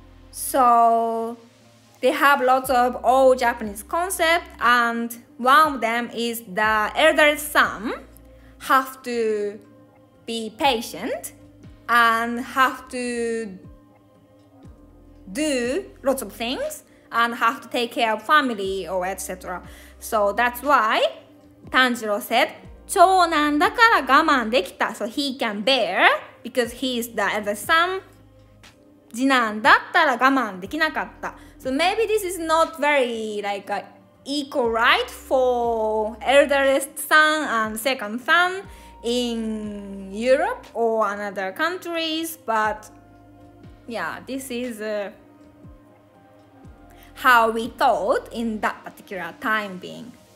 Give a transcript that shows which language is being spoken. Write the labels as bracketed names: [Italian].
[English] So they have lots of old Japanese concept, and one of them is the elder son have to be patient and have to do lots of things and have to take care of family or etc. So that's why Tanjiro said [Japanese] 長男だから我慢できた。 [English] So he can bear because he is the elder son. [Japanese] 次男だったら我慢できなかった。 [English] So maybe this is not very like aequal right for eldest son and second son in Europe or another countries, but yeah, this is how we thought in that particular time being.